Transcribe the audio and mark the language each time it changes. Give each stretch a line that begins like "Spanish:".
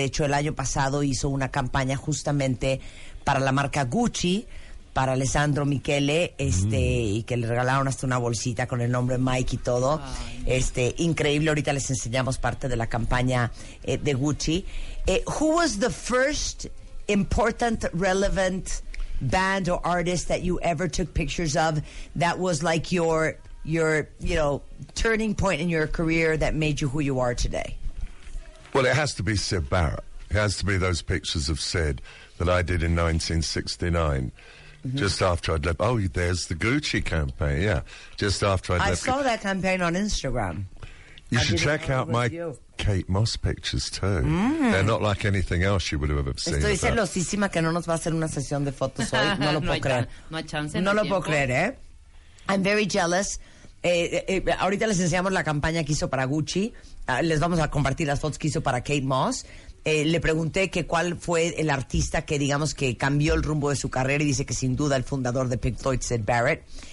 Spanish: De hecho, el año pasado hizo una campaña justamente para la marca Gucci, para Alessandro Michele, y que le regalaron hasta una bolsita con el nombre Mike y todo. Ay. Increíble, ahorita les enseñamos parte de la campaña de Gucci.
English: Who was the first important, relevant band or artist that you ever took pictures of that was like your you know, turning point in your career that made you who you are today? Well, it has to be Syd Barrett. It has to be those pictures of Syd that I did in 1969. Mm-hmm. Just after I'd left... Oh, there's the Gucci campaign, yeah. Just after I'd left... I saw that campaign on Instagram. You should check out my Kate Moss pictures, too. Mm. They're not like anything else you would have ever seen.
Spanish: Estoy celosísima que no nos va a hacer una sesión de fotos hoy. No lo puedo creer. No hay chance. No lo puedo creer, ¿eh?
English: I'm very jealous.
Spanish: Ahorita les enseñamos la campaña que hizo para Gucci. Les vamos a compartir las fotos que hizo para Kate Moss. Le pregunté que cuál fue el artista que, digamos, que cambió el rumbo de su carrera, y dice que sin duda el fundador de Pink Floyd, Syd Barrett.